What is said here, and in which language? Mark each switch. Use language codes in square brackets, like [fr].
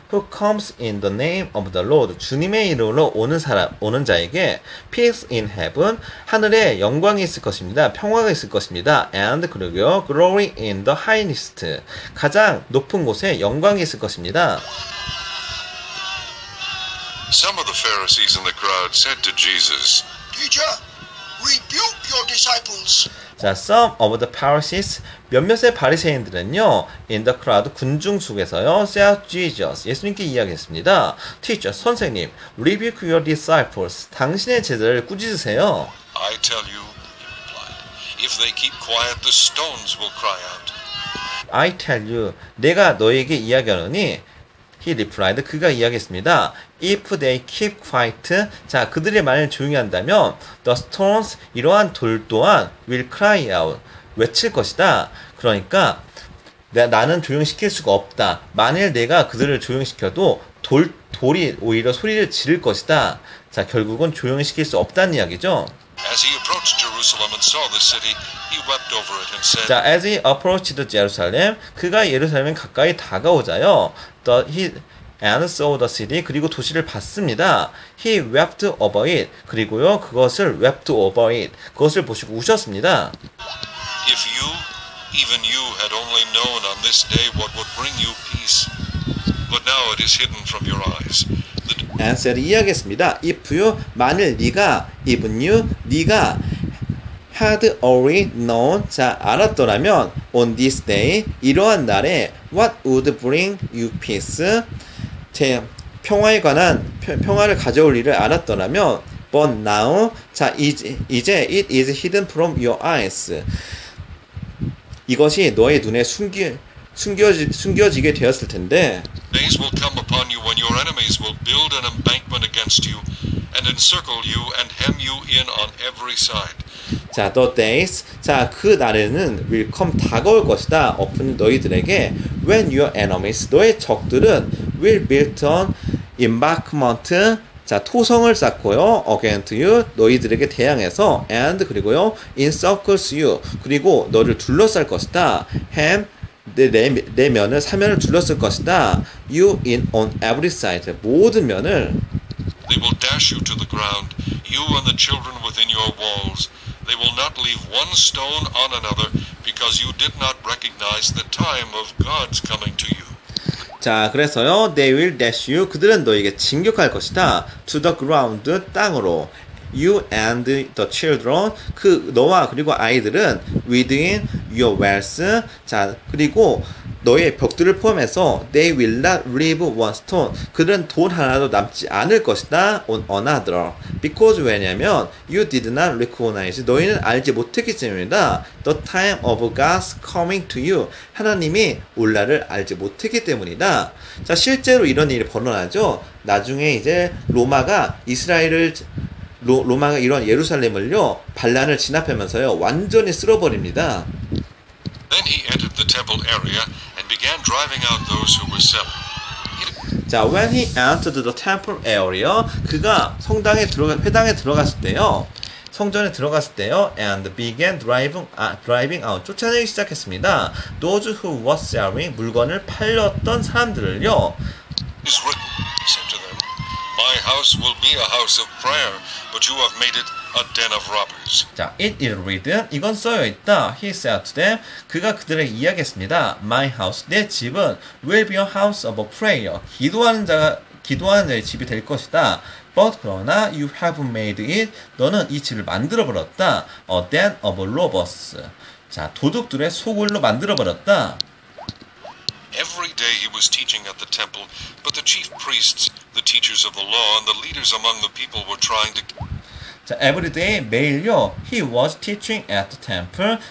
[en] Who comes in the name of the Lord. [ko] 주님의 이름으로 오는 자에게 [en] peace in heaven. [ko] 하늘에 영광이 있을 것입니다. 평화가 있을 것입니다. [en] And [ko] 그리고요, [en] glory in the highest. [ko] 가장 높은 곳에 영광이 있을 것입니다. [en] Some of the Pharisees in the crowd said to Jesus, Teacher, rebuke your disciples. 자, some of the Pharisees, [ko] 몇몇의 바리새인들은요, [en] in the crowd, [ko] 군중 속에서요, [en] said Jesus, [ko] 예수님께 이야기했습니다. [en] Teacher, [ko] 선생님, [en] rebuke your disciples, [ko] 당신의 제자를 꾸짖으세요. [en] I tell you, he replied, if they keep quiet, the stones will cry out. I tell you, [ko] 내가 너에게 이야기하노니, [en] he replied, [ko] 그가 이야기했습니다. [en] If they keep quiet, [ko] 자, 그들이 만약 조용히 한다면, [en] the stones, [ko] 이러한 돌 또한 [en] will cry out, [ko] 외칠 것이다. 그러니까 나는 조용시킬 수가 없다. 만일 내가 그들을 조용시켜도 돌이 오히려 소리를 지를 것이다. 자, 결국은 조용시킬 수 없다는 이야기죠. [en] As he approached Jerusalem and saw the city, he wept over it and said, [ko] 자, [en] as he approached Jerusalem, [ko] 그가 예루살렘 가까이 다가오자요. [en] And saw the city, [ko] 그리고 도시를 봤습니다. [en] He wept over it, [ko] 그리고요, 그것을 [en] wept over it, [ko] 그것을 보시고 우셨습니다. [en] If you, even you, had only known on this day what would bring you peace, but now it is hidden from your eyes. And said, [ko] 이야기했습니다. [en] If you, [ko] 만일 네가, [en] even you, [ko] 네가 [en] had already known, [ko] 자, 알았더라면, [en] on this day, [ko] 이러한 날에, [en] what would bring you peace? [ko] 제 평화에 관한, 평화를 가져올 일을 알았더라면, [en] but now, [ko] 자, 이제 [en] it is hidden from your eyes. [ko] 이것이 너의 눈에 숨겨지게 되었을 텐데, [en] days will come upon you when your enemies will build an embankment against you and encircle you and hem you in on every side. [ko] 자, [en] the days, [ko] 자, 그 날에는 [en] will come [ko] 다가올 것이다. 오픈 너희들에게 [en] when your enemies, [ko] 너의 적들은 [en] will build an embankment, [ko] 자, 토성을 쌓고요, [en] against you, [ko] 너희들에게 대항해서, [en] and [ko] 그리고요, [en] encircles you, [ko] 그리고 너를 둘러쌀 것이다. hem 내 면을, 사면을 둘렀을 것이다. [en] You in on every side. [ko] 모든 면을. [en] They will dash you to the ground, you and the children within your walls. They will not leave one stone on another because you did not recognize the time of God's coming to you. [ko] 자, 그래서요, [en] they will dash you. [ko] 그들은 너에게 진격할 것이다. [en] To the ground, [ko] 땅으로. [en] You and the children, [ko] 그 너와 그리고 아이들은 [en] within your walls, [ko] 자, 그리고 너의 벽들을 포함해서 [en] they will not leave one stone, [ko] 그들은 돌 하나도 남지 않을 것이다. [en] On another, because [ko] 왜냐면 [en] you did not recognize, [ko] 너희는 알지 못했기 때문이다. [en] The time of God's coming to you, [ko] 하나님이 올 날을 알지 못했기 때문이다. 자, 실제로 이런 일이 벌어나죠. 나중에 이제 로마가 이스라엘을 로마가 이런 예루살렘을요, 반란을 진압하면서요, 완전히 쓸어버립니다. [en] Then he entered the temple area and began driving out those who were selling. 자, when he entered the temple area, [ko] 그가 회당에 들어갔을 때요, [en] 성전에 들어갔을 때요, and began driving out, [ko] 쫓아내기 시작했습니다. [en] Those who were selling, [ko] 물건을 팔렸던 사람들을요, [en] is written, he said to them, My house will be a house of prayer, but you have made it a den of robbers. 자, it is written. [ko] 이건 써여 있다. [en] He said to them. [ko] 그가 그들에게 이야기했습니다. [en] My house, [ko] 내 집은 [en] will be a house of a prayer. [ko] 기도하는 자의 집이 될 것이다. [en] But [ko] 그러나 [en] you have made it. [ko] 너는 이 집을 만들어 버렸다. [en] A den of robbers. [ko] 자, 도둑들의 소굴로 만들어 버렸다. [en] Every day he was teaching at the temple, but the chief priests, the teachers of the law, and the leaders among the people were trying to. 자, every day, [ko] 매일요, [en] he was teaching at the temple.